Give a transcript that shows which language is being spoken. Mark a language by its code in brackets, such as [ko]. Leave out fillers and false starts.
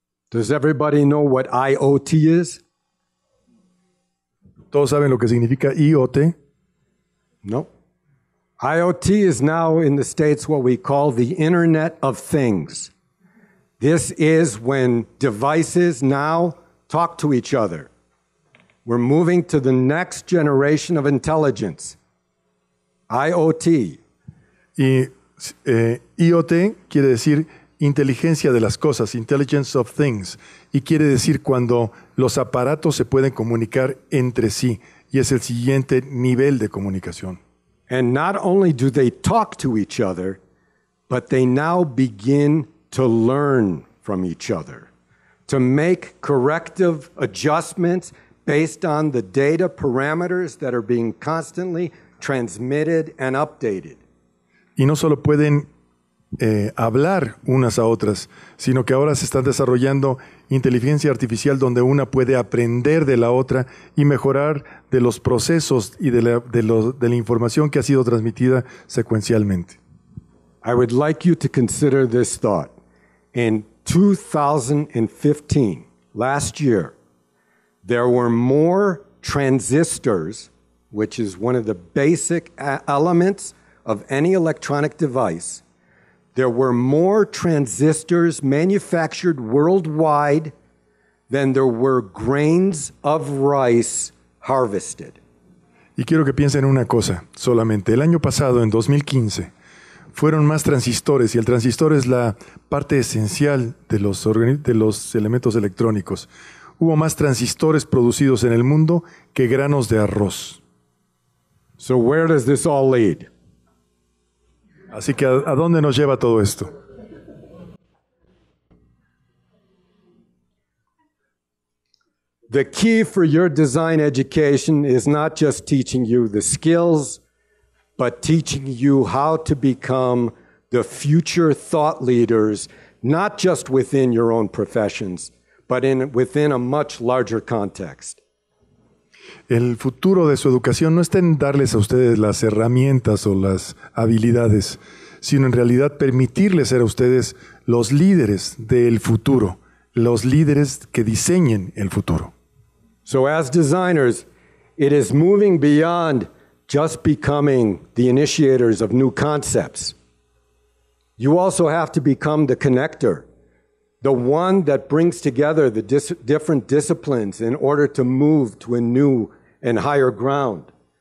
[en] Does everybody know what IoT is? [es] ¿Todos saben lo que significa IoT? [en] No. IoT is now in the States what we call the Internet of Things. This is when devices now talk to each other. We're moving to the next generation of intelligence. IoT. [es] IoT quiere decir inteligencia de las cosas, [en] intelligence of things, [es] y quiere decir cuando los aparatos se pueden comunicar entre sí, y es el siguiente nivel de comunicación. [en] And not only do they talk to each other, but they now begin to learn from each other, to make corrective adjustments based on the data parameters that are being constantly transmitted and updated. [es] Y no solo pueden hablar unas a otras, sino que ahora se está desarrollando inteligencia artificial donde una puede aprender de la otra y mejorar de los procesos y de la información que ha sido transmitida secuencialmente. [en] I would like you to consider this thought. In 2015, last year, there were more transistors, which is one of the basic elements of any electronic device, there were more transistors manufactured worldwide than there were grains of rice harvested. [es] Y quiero que piensen una cosa. Solamente el año pasado, en 2015, fueron más transistores, y el transistor es la parte esencial de los elementos electrónicos. Hubo más transistores producidos en el mundo que granos de arroz. [en] So where does this all lead? [es] Así que, ¿a dónde nos lleva todo esto? [en] The key for your design education is not just teaching you the skills, but teaching you how to become the future thought leaders, not just within your own professions, but within a much larger context. [es] El futuro de su educación no está en darles a ustedes las herramientas o las habilidades, sino en realidad permitirles ser a ustedes los líderes del futuro, los líderes que diseñen el futuro. [en] So as designers, it is moving beyond just becoming the initiators of new concepts. You also have to become the connector, the one that brings together the different disciplines in order to move to a new and higher ground.